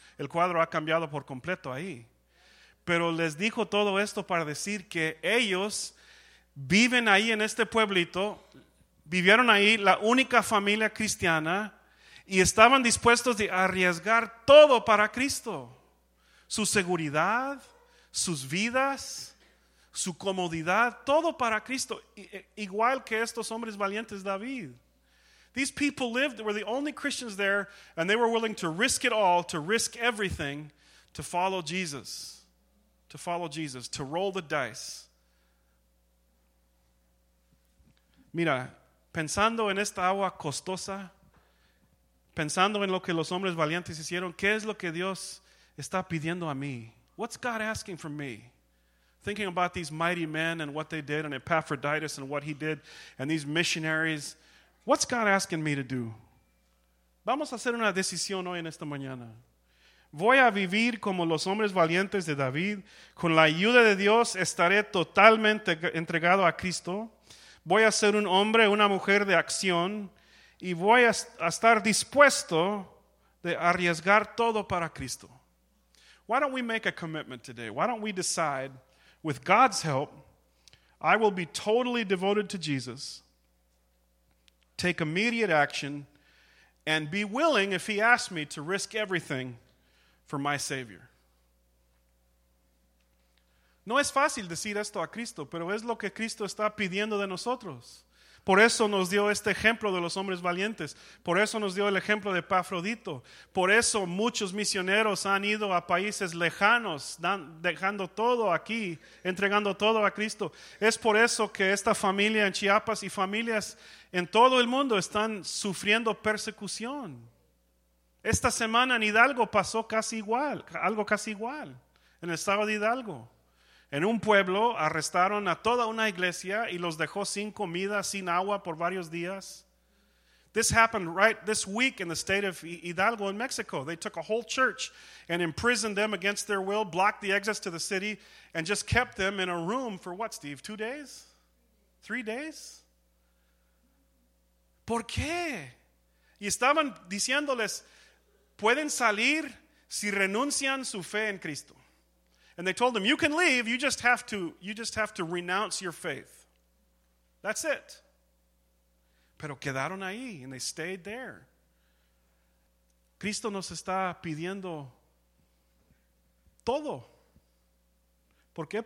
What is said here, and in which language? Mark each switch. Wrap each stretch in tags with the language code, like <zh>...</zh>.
<es>El cuadro ha cambiado por completo ahí. Pero les dijo todo esto para decir que ellos viven ahí en este pueblito, vivieron ahí la única familia cristiana, y estaban dispuestos a arriesgar todo para Cristo. Su seguridad, sus vidas, su comodidad, todo para Cristo, igual que estos hombres valientes David.</es> <en>These people lived, were the only Christians there, and they were willing to risk it all, to risk everything, to follow Jesus. To follow Jesus, to roll the dice.</en> <es>Mira, pensando en esta agua costosa, pensando en lo que los hombres valientes hicieron, ¿qué es lo que Dios está pidiendo a mí?</es> <en>What's God asking from me? Thinking about these mighty men and what they did, and Epaphroditus and what he did, and these missionaries. What's God asking me to do?</en> <es>Vamos a hacer una decisión hoy en esta mañana. Voy a vivir como los hombres valientes de David. Con la ayuda de Dios estaré totalmente entregado a Cristo. Voy a ser un hombre, una mujer de acción, y voy a estar dispuesto de arriesgar todo para Cristo.</es> <en>Why don't we make a commitment today? Why don't we decide, with God's help, I will be totally devoted to Jesus, take immediate action, and be willing, if he asks me, to risk everything for my Savior.</en> <es>No es fácil decir esto a Cristo, pero es lo que Cristo está pidiendo de nosotros. Por eso nos dio este ejemplo de los hombres valientes. Por eso nos dio el ejemplo de Epafrodito. Por eso muchos misioneros han ido a países lejanos, dejando todo aquí, entregando todo a Cristo. Es por eso que esta familia en Chiapas y familias en todo el mundo están sufriendo persecución. Esta semana en Hidalgo pasó algo casi igual, en el estado de Hidalgo. En un pueblo arrestaron a toda una iglesia y los dejó sin comida, sin agua por varios días.</es> <en>This happened right this week in the state of Hidalgo in Mexico. They took a whole church and imprisoned them against their will, blocked the exits to the city, and just kept them in a room for what, Steve? 2 days? 3 days?</en> <es>¿Por qué? Y estaban diciéndoles, pueden salir si renuncian su fe en Cristo.</es> <en>And they told them, you can leave, you just have to renounce your faith. That's it.</en> <es>Pero quedaron ahí,</es> <en>and they stayed there.</en> <es>Cristo nos está pidiendo todo. ¿Por qué?</es>